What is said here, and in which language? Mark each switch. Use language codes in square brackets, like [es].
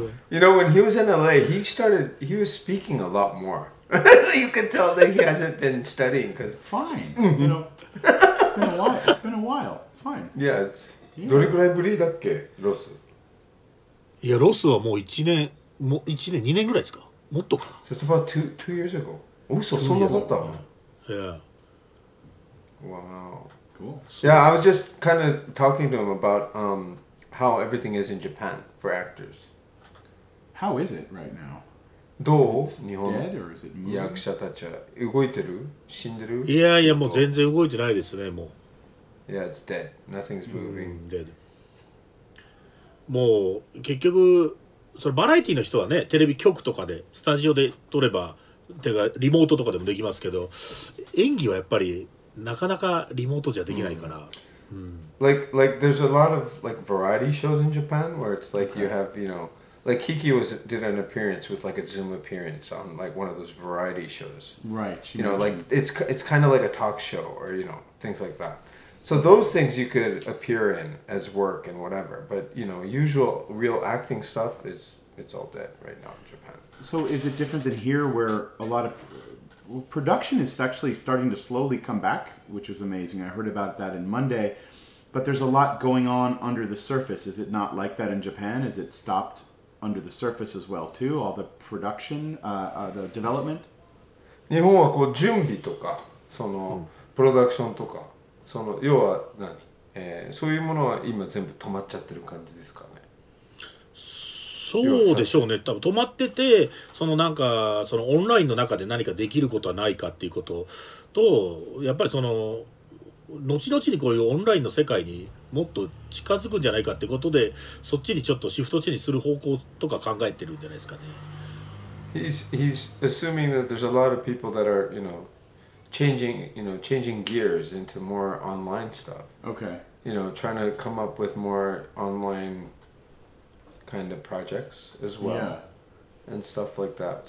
[en] You know, when he was in LA, he was speaking a lot more. You can tell that he hasn't been studying, because fine. It's been a while. It's fine. Yeah, it's... [ja] どれくらいぶりだっけ、ロス？いや、ロスはもう1年、2年ぐらいですか？もっとかな？ [en] So it's about two years ago. Oh, so so much that. Yeah. Wow. Cool. So, yeah, I was just kind of talking to him about how everything is in Japan for actors. How is it right now? [ja] どう？ [en] 日本。Dead or is it moving? [ja] 役者たちは動いてる？死んでる？いやいや、もう全然動いてないですね、もう。 [en] Yeah, it's dead. Nothing's moving. Dead. [ja] もう結局それバラエティの人はね、テレビ局とかでスタジオで撮れば。てかリモートとかでもできますけど、演技はやっぱりなかなかリモートじゃできないから。 [en] Like there's a lot of like variety shows in Japan where it's like you have, you know, like Kiki did an appearance with like a Zoom appearance on like one of those variety shows. Right. You know, like it's kind of like a talk show or, you know, things like that. So those things you could appear in as work and whatever. But, you know, usual real acting stuff is all dead right now in Japan. So is it different than here, where a lot of production is actually starting to slowly come back, which was amazing. I heard about that in Monday, but there's a lot going on under the surface. Is it not like that in Japan? Is it stopped under the surface as well too? All the production, the development? [ja] 日本はこう準備とかそのプロダクションとかその要は何、そういうものは今全部止まっちゃってる感じですか？そうでしょうね。多分止まってて、そのなんかそのオンラインの中で何かできることはないかっていうこととやっぱりその後々にこういうオンラインの世界にもっと近づくんじゃないかってことでそっちにちょっとシフトチェンジする方向とか考えてるんじゃないですかね。 [en] He's assuming that there's a lot of people that are, you know, changing gears into more online stuff. Okay. You know, trying to come up with more onlineKind of projects as well, and stuff like that.